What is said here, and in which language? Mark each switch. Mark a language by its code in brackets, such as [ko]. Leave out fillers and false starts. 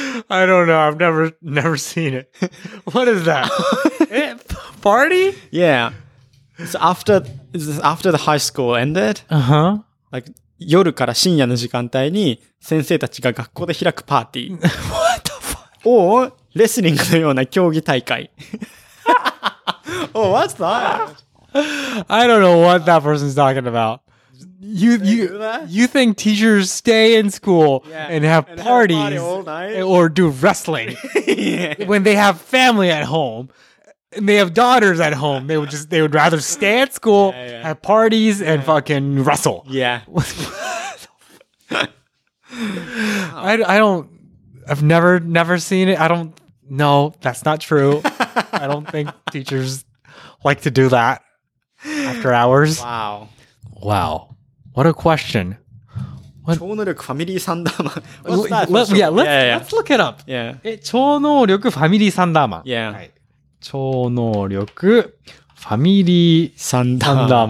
[en] I don't know. I've never seen it. What is that? Party? Yeah. So after the high school ended, uh-huh. [ja] like 夜から深夜の時間帯に先生たちが学校で開くパーティー、 [en] What the fuck? [ja] or レスリングのような競技大会。 [en] oh, what's that? I don't know what that person's talking about. You think teachers stay in school and have parties or do wrestling when they have family at home? And they have daughters at home. They would rather stay at school, have parties, and fucking wrestle. Yeah. I've never seen it. I don't know. That's not true. I don't think teachers like to do that after hours. Wow. Wow. What a question. What? [ja] 超能力ファミリーサンダーマン。 [en] Let's look it up. Yeah. [ja] 超能力ファミリーサンダーマン。 [en] Yeah. Right. [ja] 超能力ファミリーサンダーマン。